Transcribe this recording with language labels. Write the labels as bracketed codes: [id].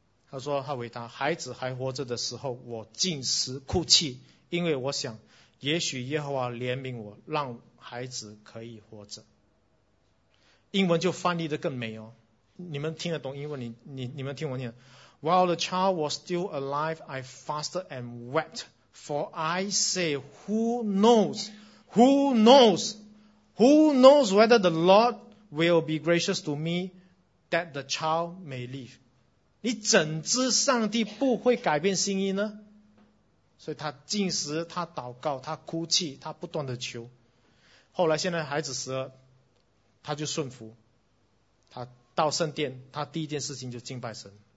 [zh] 他说他回答，孩子还活着的时候我进食哭泣，因为我想也许耶和华怜悯我，让孩子可以活着。英文就翻译的更美哦，你们听得懂英文，你们听我念。 [en] While the child was still alive I fasted and wept, for I say who knows whether the Lord will be gracious to me that the child may live. [zh] 你怎知上帝不会改变心意呢？所以他进食，他祷告，他哭泣，他不断的求。后来现在孩子死了，他就顺服，他到圣殿，他第一件事情就敬拜神。